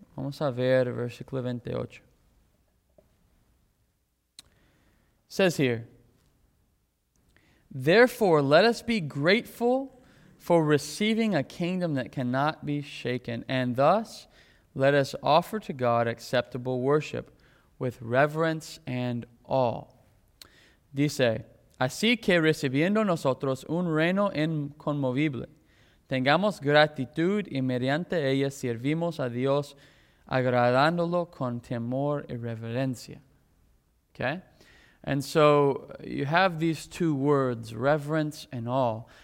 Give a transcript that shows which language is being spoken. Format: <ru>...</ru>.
<es>Vamos a ver versículo 28.</es> <en>It says here, therefore, let us be grateful for receiving a kingdom that cannot be shaken, and thus let us offer to God acceptable worship with reverence and awe.</en> <es>Dice, así que recibiendo nosotros un reino inconmovible, tengamos gratitud y mediante ella servimos a Dios agradándolo con temor y reverencia.</es> <en>Okay? And so you have these two words, reverence and awe.</en>